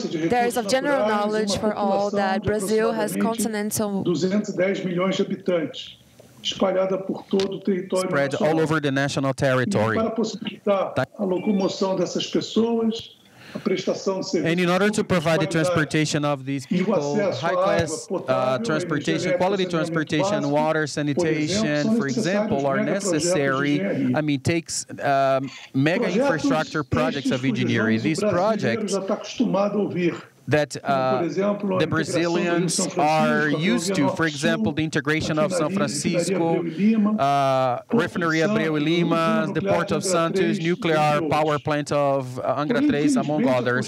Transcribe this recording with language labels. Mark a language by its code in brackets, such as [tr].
[en] There's a general knowledge for all that Brazil has continental [pt] 210 milhões de habitantes espalhada por todo o território [en] spread all over the national territory. [pt] Para possibilitar a locomoção dessas pessoas, a prestação de serviços. [en] And in order to provide the transportation of these people, high class transportation, quality transportation, water, sanitation, for example, are necessary. I mean, takes mega infrastructure projects of engineering. These projects that the Brazilians are used to, for example, the integration of São Francisco, Refinery Abreu e Lima, the Port of Santos, nuclear power plant of Angra 3, among others.